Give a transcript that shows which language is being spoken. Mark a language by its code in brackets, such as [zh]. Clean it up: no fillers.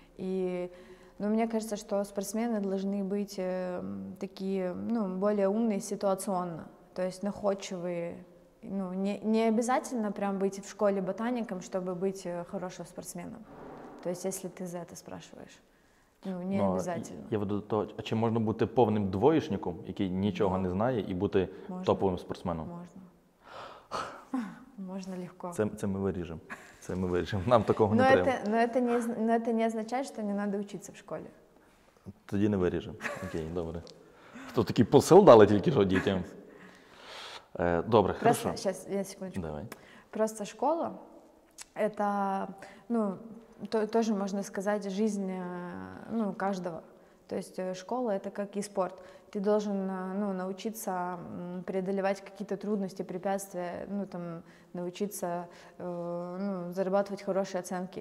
[uk] І, ну, мені кажется, що спортсмени должны бути такі, ну, більш умні ситуаційно, тобто находчиві. Ну, не обов'язково прям бути в школі ботаніком, щоб бути хорошим спортсменом. [ru] То есть, если ты за это спрашиваешь, ну, не обязательно. [uk] Я веду до того, а чи можна бути повним двоечником, який нічого не знає, і бути топовим спортсменом? Можна. Можна легко. Це ми виріжемо. Це ми виріжемо. Нам такого не треба. Ну, це не означає, що не треба вчитися в школі. Тоді не виріжемо. Окей, добре. Хто такий посил дали тільки що дітям? Добре, хорошо. Зараз, я секундочку. Давай. [ru] Просто школа, это, ну, тоже можно сказать, жизнь, ну, каждого. То есть школа – это как и спорт. Ты должен, ну, научиться преодолевать какие-то трудности, препятствия, ну, там, научиться ну, зарабатывать хорошие оценки.